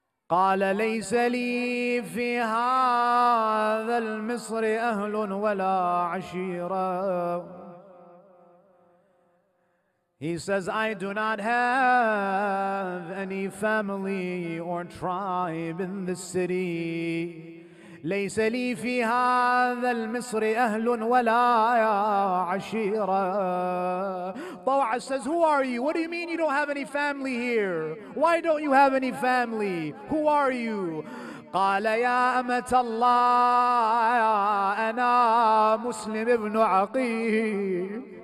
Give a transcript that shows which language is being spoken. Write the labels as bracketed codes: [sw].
[ar] قال ليس لي في هذا المصر أهل ولا عشيرة. [en] He says, I do not have any family or tribe in the city. [ar] ليس لي في هذا المصر أهل ولا عشيرة. [en] Tawa says, who are you? What do you mean you don't have any family here? Why don't you have any family? Who are you? [ar] قال يا أمت الله أنا مسلم ابن عقيل.